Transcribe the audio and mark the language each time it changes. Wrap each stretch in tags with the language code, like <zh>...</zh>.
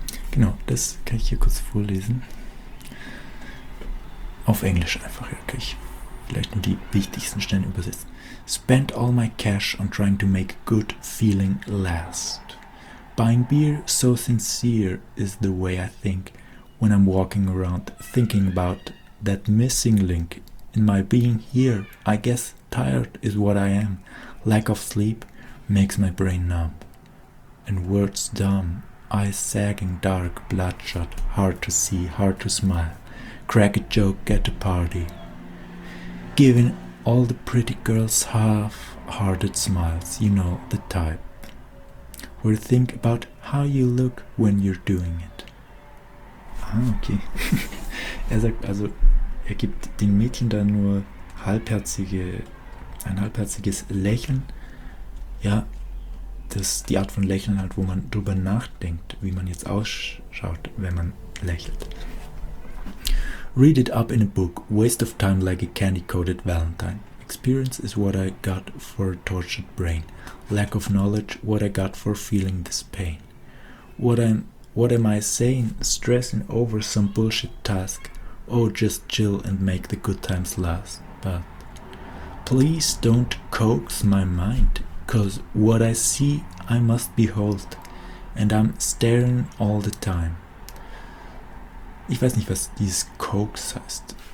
<de>Genau, das kann ich hier kurz vorlesen. Auf Englisch einfach, ja, kann ich vielleicht nur die wichtigsten Stellen übersetzen.</de> <en>Spent all my cash on trying to make good feeling last. Buying beer so sincere is the way I think when I'm walking around thinking about that missing link in my being here. I guess tired is what I am. Lack of sleep makes my brain numb and words dumb. Eyes sagging, dark, bloodshot, hard to see, hard to smile. Crack a joke, get a party. Giving all the pretty girls half-hearted smiles, you know, the type. Where think about how you look when you're doing it. Ah, okay.</en> <de>Er sagt also, er gibt den Mädchen dann nur ein halbherziges Lächeln. Ja. Das ist die Art von Lächeln halt, wo man drüber nachdenkt, wie man jetzt ausschaut, wenn man lächelt.</de> <en>Read it up in a book. Waste of time like a candy-coated Valentine. Experience is what I got for a tortured brain. Lack of knowledge, what I got for feeling this pain. What am I saying? Stressing over some bullshit task. Oh, just chill and make the good times last. But please don't coax my mind. 'Cause what I see, I must behold, and I'm staring all the time.</en> <de>Ich weiß nicht, was dieses coax heißt.</de>